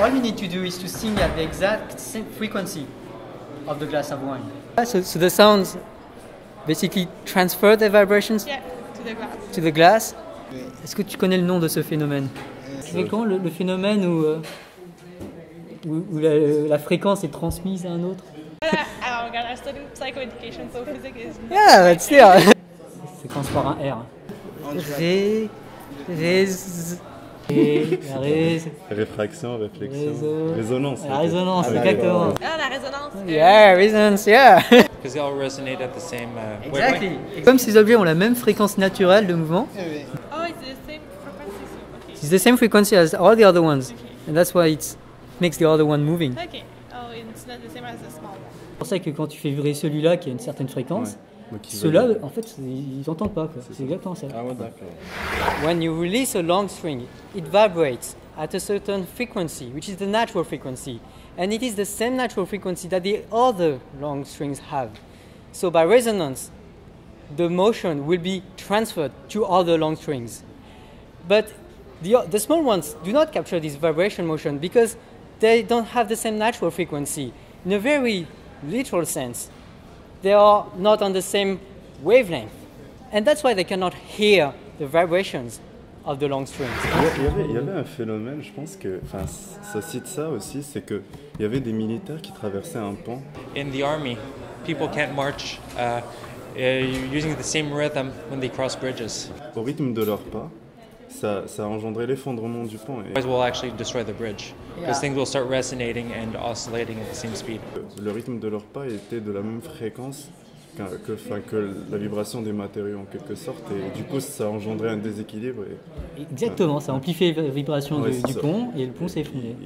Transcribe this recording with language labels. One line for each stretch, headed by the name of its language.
English: All you need to do is to sing at the exact same frequency. Of the glass of wine. Yeah, so the sounds basically transfer their vibrations to the glass.
French: Oui. Est-ce que tu connais le nom de ce phénomène? C'est quand le phénomène où la fréquence est transmise à un autre?
English: Oh my god, I studied psychoeducation, so physics is. Yeah, that's clear.
French: Ça commence par un R. Ré. Ré. Réfraction, réflexion. Résonance. La résonance, exactement. Ah, la résonance.
English: Yeah, résonance, yeah. Because they all resonate at the same wavelength.
French: Comme ces objets ont la même fréquence naturelle de mouvement.
English: Oh, it's the same frequency. Okay. It's the same frequency as all the other ones. Okay. And that's why it makes the other one moving. Okay. Oh, it's not the same as the small one.
French: C'est pour ça que quand tu fais vibrer celui-là qui a une certaine fréquence, ouais. Ceux-là, en fait, ils n'entendent pas. C'est exactement ça.
English: When you release a long string, it vibrates at a certain frequency, which is the natural frequency. And it is the same natural frequency that the other long strings have. So by resonance, the motion will be transferred to other long strings. But the small ones do not capture this vibration motion because they don't have the same natural frequency. In a very literal sense, they are not on the same wavelength. And that's why they cannot hear the vibrations of the long strings.
French: Il y avait un phénomène, je pense que, enfin, ça cite ça aussi, c'est que il y avait des militaires qui traversaient un pont.
English: In the army, people can't march using the same rhythm when they cross bridges.
French: Au rythme de leur pas, ça a engendré l'effondrement du pont.
English: It will actually destroy the bridge. Because things will start resonating and oscillating at the same speed.
French: Le rythme de leur pas était de la même fréquence que la vibration des matériaux en quelque sorte, et du coup ça a engendré un déséquilibre. Et, exactement, ça a amplifié la vibration du pont et le pont s'est effondré.